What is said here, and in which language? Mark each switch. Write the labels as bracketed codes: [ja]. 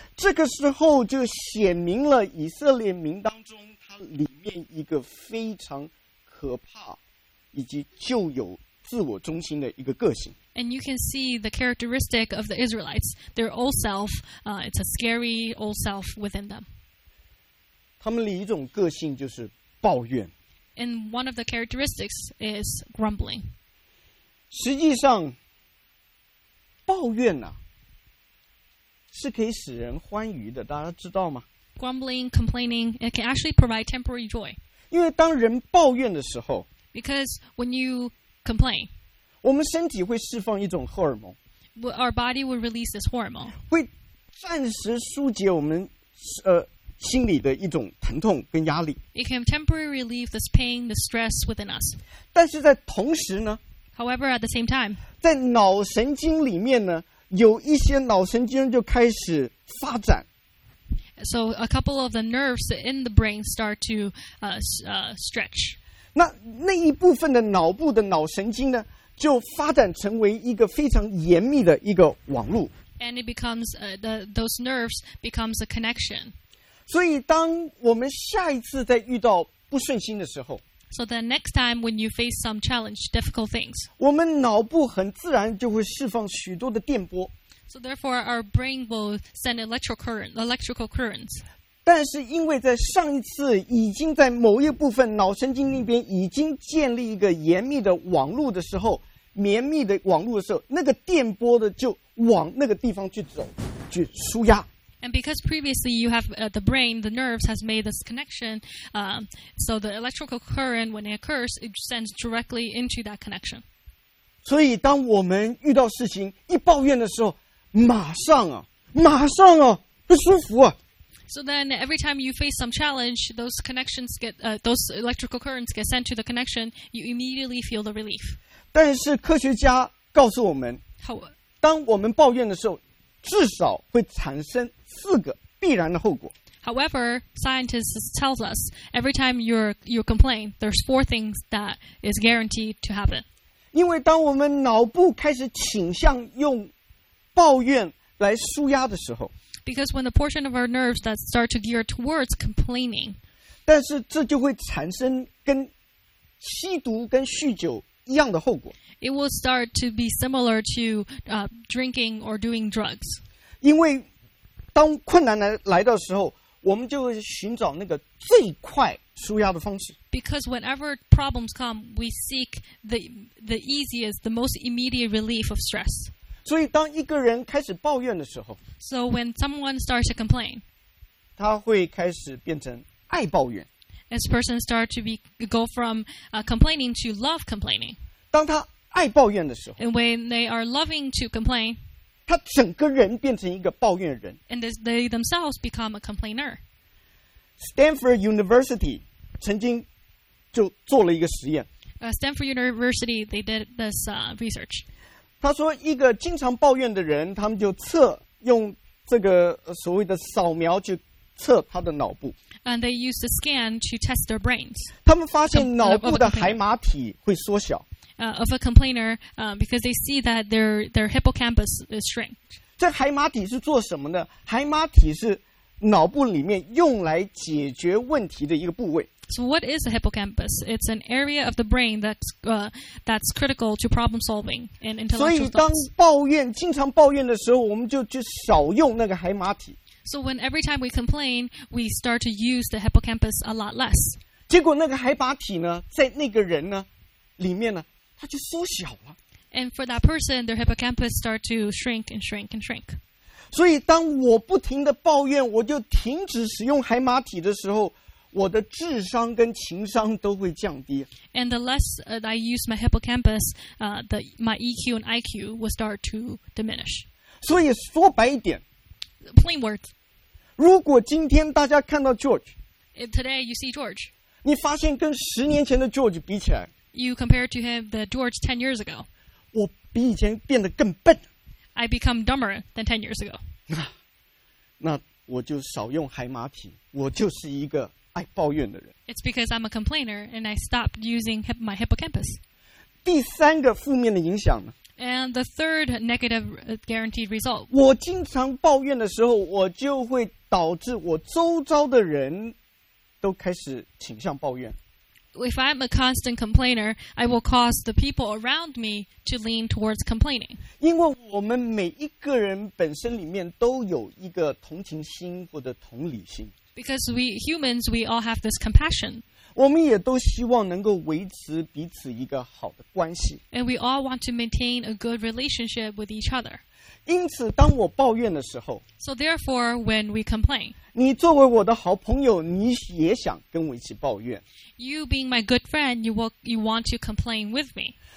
[zh] 这个时候就显明了以色列民当中它里面一个非常可怕以及就有自我中心的一个个性。 [en] And you can see the characteristic of the Israelites. Their old self, it's a scary old self within them. [zh] 他们里一种个性就是抱怨。 [en] And one of the characteristics is grumbling. [zh] 实际上抱怨呢、啊，是可以使人欢愉的，大家知道吗 [en] ？Grumbling, complaining, it can actually provide temporary joy. [zh] 因为当人抱怨的时候 [en] ，Because when you complain, [zh] 我们身体会释放一种荷尔蒙 [en] ，Our body will release this hormone. [zh] 会暂时疏解我们心里的一种疼痛跟压力。 [en] It can temporarily relieve this pain, the stress within us. [zh] 但是在同时呢？ [en] However, at the same time, [zh] 在脑神经里面呢，有一些脑神经就开始发展。 [en] So a couple of the nerves in the brain start to stretch. [zh] 那一部分的脑部的脑神经呢，就发展成为一个非常严密的一个网路。 [en] And it becomes those nerves becomes a connection. [zh] 所以当我们下一次在遇到不顺心的时候。 [en] So the next time when you face some challenge, difficult things, [zh] 我们脑部很自然就会释放许多的电波。 [en] So therefore, our brain will send electrical currents. [zh] 但是因为在上一次已经在某一部分脑神经那边已经建立一个严密的网络的时候，绵密的网络的时候，那个电波的就往那个地方去走，去输压。 [en] And because previously you have the brain, the nerves has made this connection, so the electrical current when it occurs, it sends directly into that connection. [zh] 所以当我们遇到事情一抱怨的时候，马上啊，不舒服啊。 [en] So then every time you face some challenge, those connections get, those electrical currents get sent to the connection, you immediately feel the relief. [zh] 但是科学家告诉我们，当我们抱怨的时候，至少会产生四个必然的后果。 [en] However, scientists tell us, every time you complain, there's four things that is guaranteed to happen. [zh] 因为当我们脑部开始倾向用抱怨来舒压的时候， [en] Because when the portion of our nerves that start to gear towards complaining, [zh] 但是这就会产生跟吸毒跟酗酒一样的后果。 [en] It will start to be similar to drinking or doing drugs. [zh] 因为当困难来的时候，我们就会寻找那个最快舒压的方式。 [en] Because whenever problems come, we seek the easiest, the most immediate relief of stress. [zh] 所以当一个人开始抱怨的时候 [en] So when someone starts to complain [zh] 他会开始变成爱抱怨 [en] This person starts to go from complaining to love complaining [zh] 当他爱抱怨的时候 [en] And when they are loving to complain [zh] 他整个人变成一个抱怨人 [en] And they themselves become a complainer [zh] Stanford University 曾经就做了一个实验 [en] Stanford University, they did this research [zh] 他说一个经常抱怨的人他们就测用这个所谓的扫描去测他的脑部 [en] And they used a scan to test their brains [zh] 他们发现脑部的海马体会缩小 [en] Of a complainer because they see that their hippocampus is shrink [zh] 这海马体是做什么呢海马体是脑部里面用来解决问题的一个部位 [en] So what is a hippocampus? It's an area of the brain that's critical to problem solving and intellectual thoughts [zh] 所以当抱怨经常抱怨的时候我们就去少用那个海马体 [en] So when every time we complain we start to use the hippocampus a lot less [zh] 结果那个海马体呢在那个人呢里面呢它就缩小了 [en] And for that person their hippocampus start to shrink and shrink and shrink [zh] 所以当我不停地抱怨我就停止使用海马体的时候我的智商跟情商都会降低 [en] And the less I use my hippocampus my EQ and IQ will start to diminish [zh] 所以说白一点 [en] Plain words [zh] 如果今天大家看到 George [en] If today you see George [zh] 你发现跟十年前的 George 比起来 [en] You compare to him the George 10 years ago [zh] 我比以前变得更笨 [en] I become dumber than 10 years ago. [zh] 那我就少用海马体，我就是一个爱抱怨的人。 [en] It's because I'm a complainer and I stopped using my hippocampus. [zh] 第三个负面的影响呢 [en] And the third negative guaranteed result. [zh] 我经常抱怨的时候，我就会导致我周遭的人都开始倾向抱怨。 [en] If I'm a constant complainer, I will cause the people around me to lean towards complaining. [zh] 因为我们每一个人本身里面都有一个同情心或者同理心。 [en] Because we humans, we all have this compassion. [zh] 我们也都希望能够维持彼此一个好的关系。 [en] And we all want to maintain a good relationship with each other. [zh] 因此当我抱怨的时候 [en] So therefore, when we complain, [zh] 你作为我的好朋友你也想跟我一起抱怨。 [en] You being my good friend, you want to complain with me.